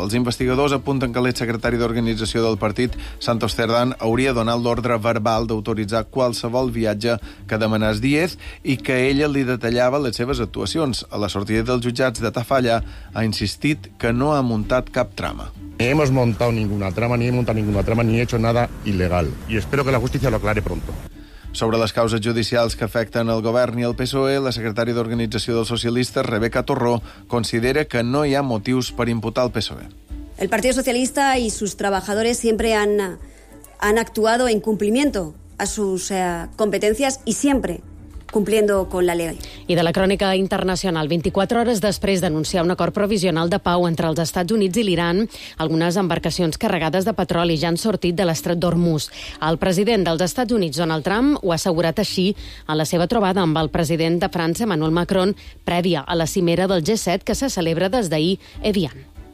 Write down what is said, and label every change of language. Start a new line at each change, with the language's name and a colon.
Catalan: Els investigadors apunten que l'exsecretari d'organització del partit, Santos Cerdán, hauria donat l'ordre verbal d'autoritzar qualsevol viatge que demanés Díez i que ella li detallava les seves actuacions. A la sortida dels jutjats de Tafalla ha insistit que no ha muntat cap trama.
Spanish: Ni hemos montado ninguna trama, ni he montado ninguna trama, ni he hecho nada ilegal. Y espero que la justicia lo aclare pronto.
Catalan: Sobre les causes judicials que afecten el govern i el PSOE, la secretària d'Organització dels Socialistes, Rebeca Torró, considera que no hi ha motius per imputar el PSOE.
Spanish: El Partido Socialista y sus trabajadores siempre han actuado en cumplimiento a sus competencias y siempre cumpliendo con la ley.
Catalan: I de la crònica internacional, 24 hores després d'anunciar un acord provisional de pau entre els Estats Units i l'Iran, algunes embarcacions carregades de petroli ja han sortit de l'estret d'Hormuz. El president dels Estats Units, Donald Trump, ho ha assegurat així en la seva trobada amb el president de França, Emmanuel Macron, prèvia a la cimera del G7 que se celebra des d'ahir a Evian.